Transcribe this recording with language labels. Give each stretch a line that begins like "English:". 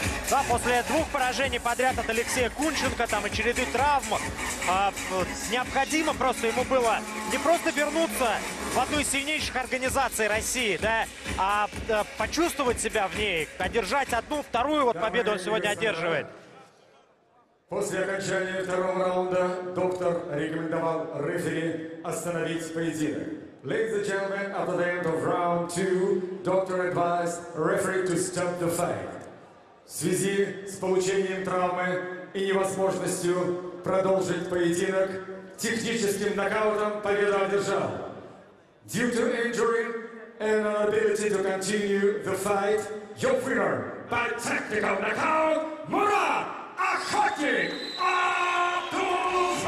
Russian: Да, после двух поражений подряд от Алексея Кунченко, там и череды травм, необходимо просто ему было не просто вернуться в одну из сильнейших организаций России, да, а почувствовать себя в ней, одержать одну, вторую вот победу он сегодня одерживает. После окончания второго раунда доктор рекомендовал рефери остановить поединок.
English: Ladies and gentlemen, after the end of round two, doctor advised referee to stop the fight.
Russian: В связи с получением травмы и невозможностью продолжить поединок, техническим нокаутом победу одержал.
English: Due to injury and inability to continue the fight, your winner by technical knockout, Murat Akhotnik Abdulfattah!